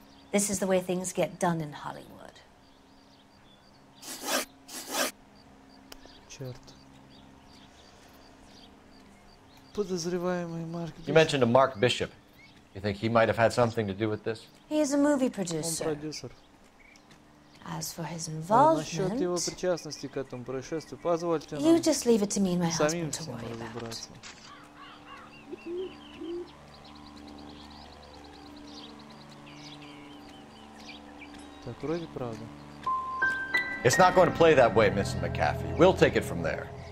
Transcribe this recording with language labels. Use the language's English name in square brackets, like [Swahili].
[English] This is the way things get done in Hollywood. [Russian] Подозреваемый Марк. [English] You mentioned a Mark Bishop. You think he might have had something to do with this? He is a movie producer. [Russian] Он продюсер. [English] As for his involvement, [Russian] насчет его причастности к этому происшествию, позвольте нам. [English] You just leave it to me and my husband to worry about. [Russian] Так, вроде правда. [English] It's not going to play that way, Mrs. McAfee. We'll take it from there.